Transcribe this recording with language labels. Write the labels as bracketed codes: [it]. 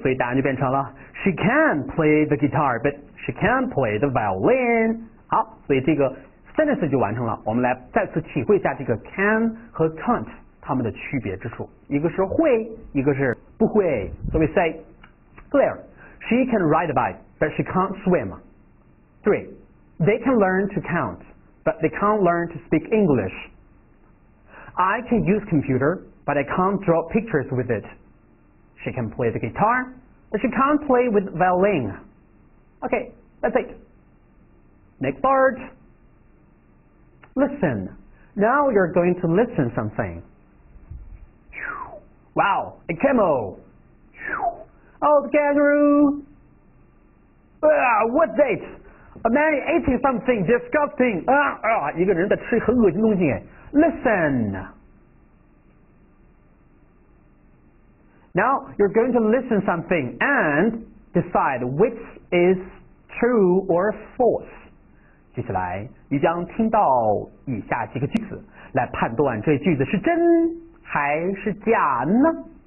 [zh] 所以答案就变成了 [en] She can play the guitar, but she can't play the violin. [zh] 好，所以这个sentence 就完成了。我们来再次体会一下这个 can 和 can't 它们的区别之处，一个是会，一个是不会。 [en] So we say Claire, she can ride a bike, but she can't swim. 对， they can learn to count, but they can't learn to speak English. I can use computer, but I can't draw pictures with it. She can play the guitar, but she can't play with violin. Okay, that's it. Next part. Listen. Now you're going to listen something. Wow, a camel. Old kangaroo. What's that? A man eating something disgusting. [zh] 一个人在吃很恶心东西。 [en] Listen. Now, you're going to listen something and decide which is true or false. [zh] 接下来你将听到以下几个句子来判断这句子是真还是假呢？